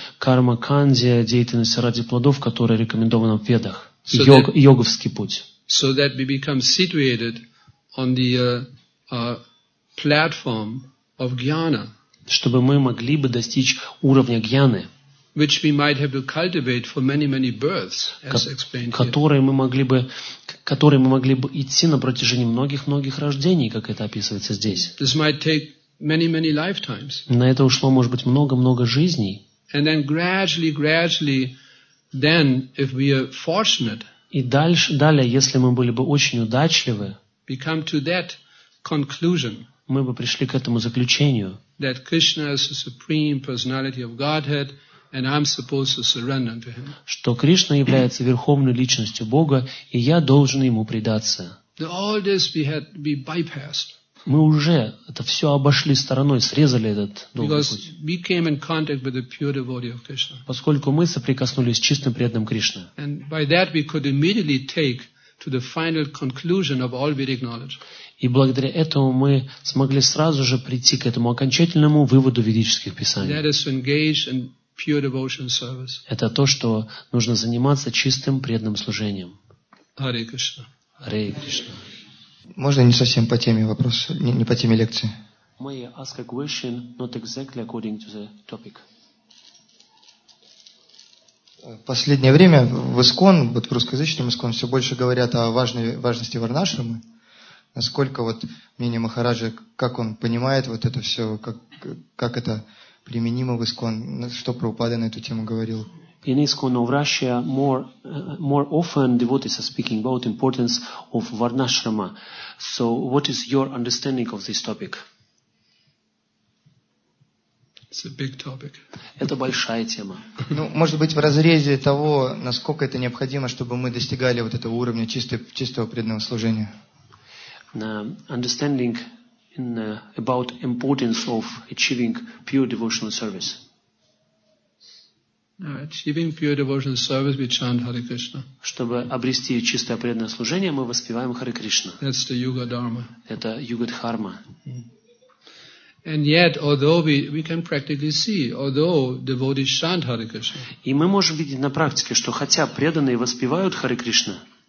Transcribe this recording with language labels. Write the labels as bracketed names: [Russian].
[Russian] карма-кандия, деятельности ради плодов, которая рекомендована в ведах, йоговский путь. [English] So that we become situated on the platform of jnana, [Russian] чтобы мы могли бы достичь уровня гьяны, [English] which we might have to cultivate for many births, as explained here. [Russian] Которые мы могли бы идти на протяжении многих рождений, как это описывается здесь. [English] This might take many lifetimes. [Russian] На это ушло, может быть, много жизней. [English] And then gradually, then, if we are fortunate, [Russian] и далее, если мы были бы очень удачливы, [English] we come to that conclusion, [Russian] мы бы пришли к этому заключению, [English] that Krishna is the supreme personality of Godhead, and I'm supposed to surrender to him. [Russian] Что Кришна является верховной личностью Бога, и я должен ему предаться. [English] All this we bypassed. [Russian] Мы уже это все обошли стороной, срезали этот долгий [English] Because [Russian] путь. [English] We came in contact with the pure devotee of Krishna. [Russian] Поскольку мы соприкоснулись с чистым преданным Кришной. [English] And by that we could immediately take to the final conclusion of all Vedic knowledge. [Russian] И благодаря этому мы смогли сразу же прийти к этому окончательному выводу ведических писаний. [English] That is engaged in pure devotion service. [Russian] Это то, что нужно заниматься чистым преданным служением. Харе Кришна. Харе Кришна. Можно не совсем по теме вопрос, не по теме лекции. [English] May I ask a question not exactly according to the topic? [Russian] Последнее время в ИСКОН, вот в русскоязычном ИСКОН, все больше говорят о важности варнашрамы. Насколько вот мнение Махараджа, как он понимает вот это все, как это применимо в ИСКОН, что Прабхупада на эту тему говорил? [English] In ISKCON of Russia, more often devotees are speaking about importance of Varnashrama. So, what is your understanding of this topic? It's a big topic. [Russian] Это большая тема. Ну, может быть, в разрезе того, насколько это необходимо, чтобы мы достигали вот этого уровня чистого преданного служения. [English] Understanding about importance of achieving pure devotional service. Achieving pure devotional service, we chant Hare Krishna. [Russian] Чтобы обрести чистое преданное служение, мы воспеваем Харе Кришна. [English] That's the Yuga Dharma. [Russian] Это Юга Дхарма. [English] And yet, although we can practically see, although devotees chant Hare Krishna. [Russian] И мы можем видеть на практике, что хотя преданные воспевают Харе Кришна,